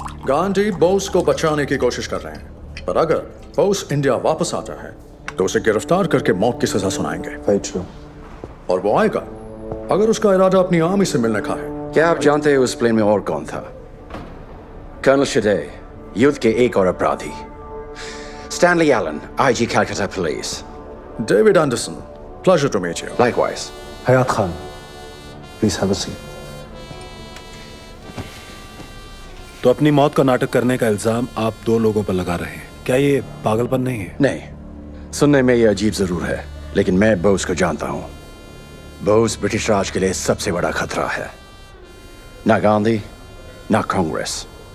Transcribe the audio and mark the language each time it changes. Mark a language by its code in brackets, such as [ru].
[hi] गांधी बोस को बचाने की कोशिश कर रहे हैं, पर अगर बोस इंडिया वापस आता है तो उसे गिरफ्तार करके मौत की सजा सुनाएंगे। और वो आएगा अगर उसका इरादा अपनी आर्मी से मिलने का है। क्या आप जानते हैं उस प्लेन में और कौन था? कर्नल शिदे, युद्ध के एक और अपराधी, Stanley Elon, IG Calcutta police. [en] David Anderson, pleasure to meet you. Likewise. Hayat Khan, please have a seat. [hi] तो अपनी मौत का नाटक करने का इल्जाम आप दो लोगों पर लगा रहे हैं, क्या ये पागलपन नहीं है? नहीं, सुनने में ये अजीब जरूर है, लेकिन मैं बोस को जानता हूँ। बोस ब्रिटिश राज के लिए सबसे बड़ा खतरा है, ना गांधी ना कांग्रेस।